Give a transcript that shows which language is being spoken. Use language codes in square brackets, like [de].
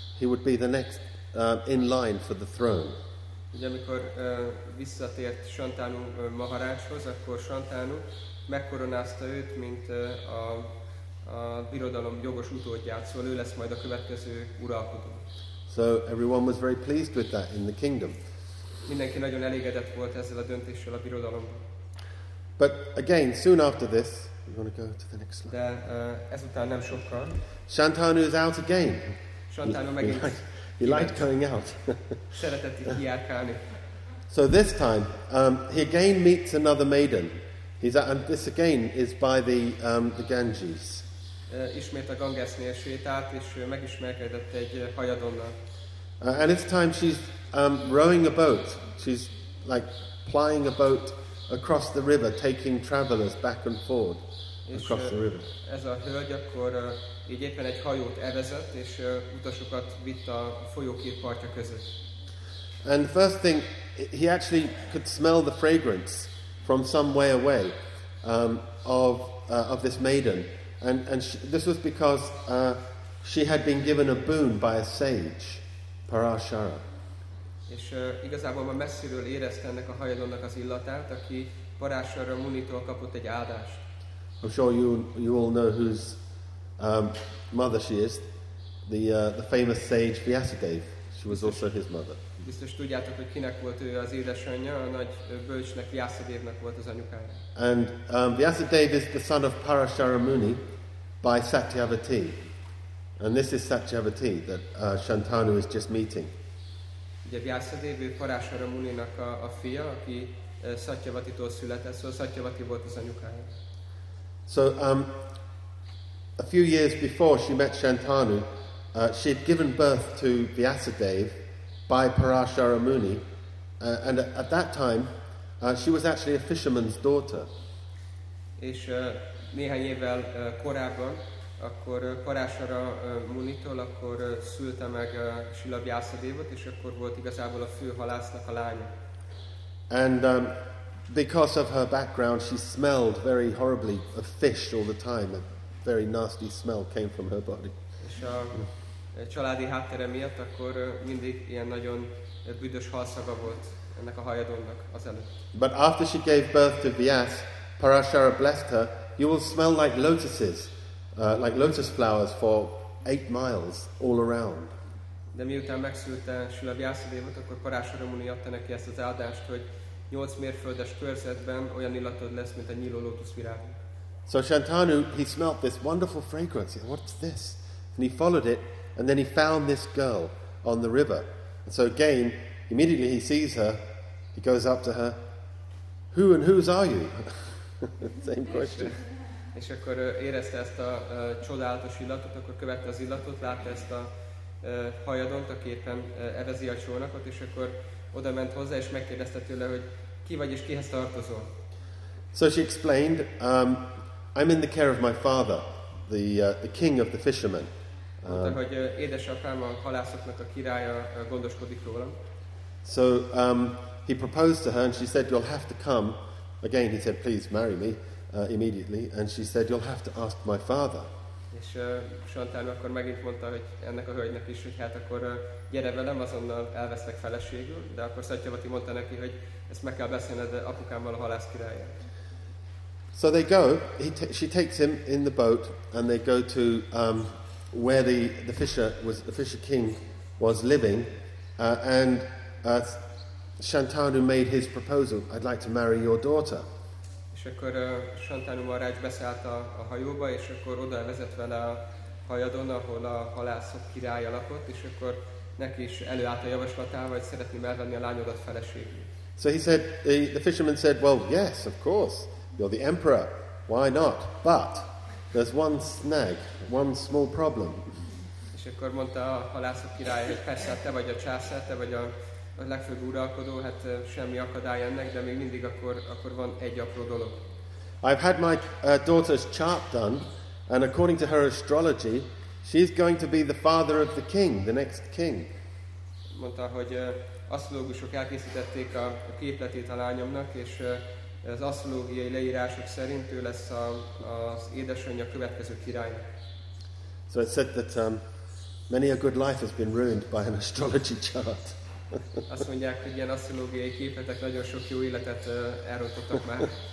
[en] He would be the next in line for the throne. [hu] Ugye, amikor visszatért Shantanu Maharajshoz, akkor Shantanu megkoronázta őt, mint a birodalom jogos utódját, szóval ő lesz majd a következő uralkodó. [en] So everyone was very pleased with that in the kingdom. [hu] Mindenki nagyon elégedett volt ezzel a döntéssel a birodalomban. [en] But again, soon after this, we want to go to the next slide. [hu] De ezután nem sokkal. [en] Shantanu is out again. [hu] Shantanu megint. [en] He liked going out. [hu] Szeretett kijárkálni. [en] So this time, he again meets another maiden. And this again is by the Ganges. [hu] Ismét a Gangesnél sétált, és megismerkedett egy hajadonnal. [en] And it's time she's rowing a boat. She's plying a boat across the river, taking travelers back and forth across the river. [hu] Ez a hölgy akkor így éppen egy hajót evezett, és utasokat vitt a folyókét partja között. [en] And the first thing, he actually could smell the fragrance from some way away of this maiden. This was because she had been given a boon by a sage, Parashara. [hu] És igazából már messziről érezte ennek a hajadonnak az illatát, aki Parashara Munitól kapott egy áldást. [en] I'm sure you all know who's mother she is, the famous sage Vyasadeva. She was also his mother. [hu] Biztos tudjátok, hogy kinek volt ő az édesanyja, a nagy bölcsnek, Vyasadevnek volt az anyukája. [en] And Vyasadeva is the son of Parashara Muni by Satyavati. And this is Satyavati that Shantanu is just meeting. [hu] Ugye Vyasadeva Parashara Muninak a fia, aki Satyavatitól született, szóval Satyavati volt az anyukája. [en] So a few years before she met Shantanu, she had given birth to Vyasadeva by Parashara Muni, and at that time she was actually a fisherman's daughter. [hu] És néhány évvel korábban, akkor Parashara Munitól akkor szülte meg Srila Vyasadevot, és akkor volt igazából a főhalásznak a lánya. [en] And because of her background, she smelled very horribly of fish all the time. Very nasty smell came from her body. [hu] És a családi háttere miatt akkor mindig ilyen nagyon büdös halszaga volt ennek a hajadónak az előtt. [en] But after she gave birth to Vyas, Parashara blessed her. You will smell like lotuses, like lotus flowers for 8 miles all around. [hu] De miután megszülte Srila Vyasadevot, akkor Parashara Muni adta neki ezt az áldást, hogy 8 mérföldes körzetben olyan illatod lesz, mint a nyíló lotuszvirág. [en] So Shantanu, he smelt this wonderful fragrance. What's this? And he followed it, and then he found this girl on the river. And so again, immediately he sees her, he goes up to her. Who and whose are you? Same question. [hu] És akkor érezte ezt a csodálatos illatot, akkor követte az illatot, látta ezt a hajadont, aki éppen evezi a csónakot, és akkor oda ment hozzá, és megkérdezte tőle, hogy ki vagy és kihez tartozol. [en] So she explained, I'm in the care of my father, the king of the fishermen. [hu] Mondta, hogy édesapám a halászoknak a királya, gondoskodik rólam. [en] So he proposed to her and she said, you'll have to come. Again, he said, please marry me immediately. And she said, you'll have to ask my father. [hu] És Shantanu akkor megint mondta, hogy ennek a hölgynek is, hogy hát akkor gyere velem, azonnal elveszlek feleségül. De akkor Satyavati mondta neki, hogy ezt meg kell beszélned apukámmal, a halász királya. [en] So they go, she takes him in the boat and they go to where the fisher king was living, and Shantanu made his proposal, I'd like to marry your daughter. [hu] És akkor Shantanu Maharaj beszállt a hajóba, és akkor oda vezet vele a hajadon, ahol a halászok királya lakott, és akkor neki is előállt a javaslatával, hogy szeretném elvenni a lányodat feleségül. [en] So he said, the fisherman said, well, yes, of course, you're the emperor, why not? But there's one snag, one small problem. [hu] És akkor mondta a halász a király, hogy persze, te vagy a császár, te vagy a legfőbb uralkodó, hát semmi akadály ennek, de még mindig akkor van egy apró dolog. [en] I've had my daughter's chart done, and according to her astrology, she's going to be the father of the king, the next king. [hu] Mondta, hogy asztrológusok elkészítették a képletét a lányomnak, és az asztrológiai leírások szerint ő lesz az édesanyja következő király. [en] So it said that many a good life has been ruined by an astrology chart. [hu] Azt mondják, hogy ilyen asztrológiai képletek nagyon sok jó életet elrontottak már.